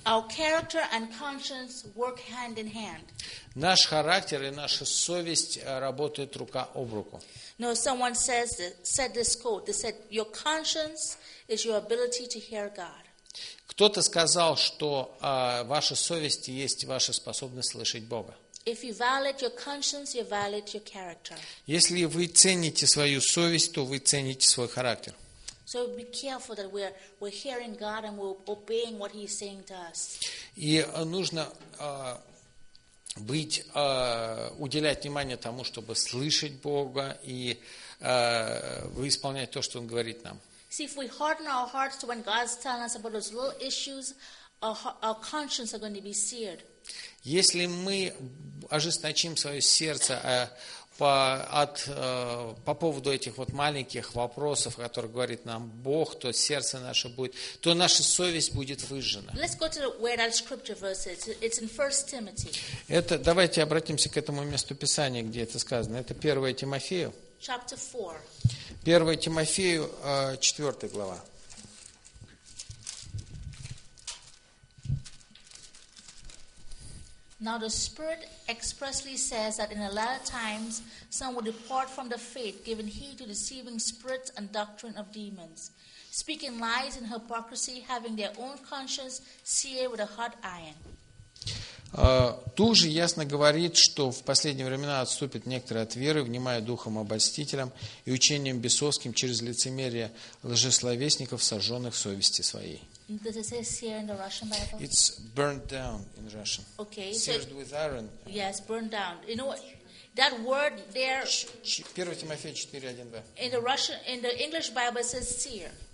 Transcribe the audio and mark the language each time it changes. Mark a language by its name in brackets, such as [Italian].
[English] Our character and conscience work hand in hand. [Russian] Наш характер и наша совесть работают рука об руку. [English] No, someone says said this quote. They said, "Your conscience is your ability to hear God." [Russian] Кто-то сказал, что ваша совесть есть ваша способность слышать Бога. [English] If you violate your conscience, you violate your character. [Russian] Если вы цените свою совесть, то вы цените свой характер. [English] So be careful that we're hearing God and we're obeying what He's saying to us. [Russian] И нужно быть уделять внимание тому, чтобы слышать Бога и исполнять то, что Он говорит нам. [English] See, if we harden our hearts to when God's telling us about those little issues, our conscience are going to be seared. [Russian] Если мы ожесточим свое сердце по поводу этих вот маленьких вопросов, о которых говорит нам Бог, то сердце наше будет, то наша совесть будет выжжена. [English] Let's go to where that scripture verse is. It's in 1 Timothy. [Russian] Это, давайте обратимся к этому месту Писания, где это сказано. Это 1 Тимофею. [English] Chapter 4. [Russian] 1 Тимофею, 4 глава. [English] Now the Spirit expressly says that in the latter times some will depart from the faith, giving heed to deceiving spirits and doctrine of demons, speaking lies and hypocrisy, having their own conscience seared with a hot iron. [Russian] Тут же ясно говорит, что в последние времена отступят некоторые от веры, внимая духом обольстителям и учением бесовским через лицемерие лжесловесников, сожженных совести своей. [English] Does it say seared in the Russian Bible? It's burned down in Russian. Okay. Seared with iron. Yes, burned down. You know what? That word there. [Russian] 1 Тимофея 4:1-2. [English] In the Russian, in the English Bible, it says sear.